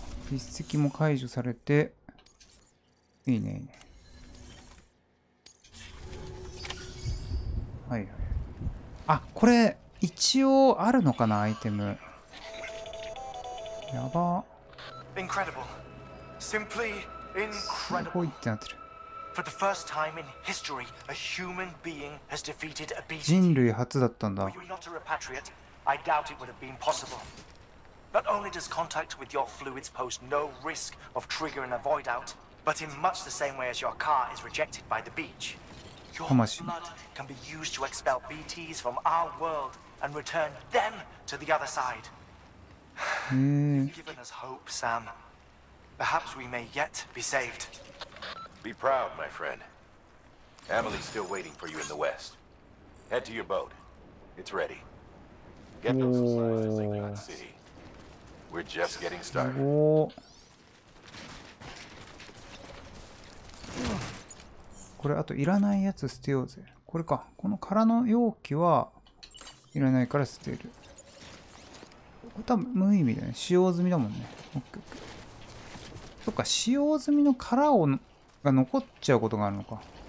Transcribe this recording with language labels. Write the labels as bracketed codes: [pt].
[ja] 実績も解除されて、いいねいいね。はいはい。あ、これ一応あるのかな、アイテム。やば、 [en] インクレディブル、シンプリーインクレディブル。 [ja] すごいってなってる。 [en] For the first time in history, a human being has defeated a beast. [ja] 人類初だったんだ。 [en] Were you not a repatriate? I doubt it would have been possible. Not only does contact with your fluids pose no risk of triggering a void out, but in much the same way as your car is rejected by the beach, your blood can be used to expel BTs from our world and return them to the other side. You've given us hope, Sam. Perhaps we may yet be saved. Be proud, my friend. Emily's still waiting for you in the west. Head to your boat. It's ready. Get those supplies in Lincoln City. We're just getting started. [ja] これあといらないやつ捨てようぜ。これか。この空の容器はいらないから捨てる。これ多分無意味だね。使用済みだもんね。オッケーオッケー。そっか、使用済みの空をが残っちゃうことがあるのか。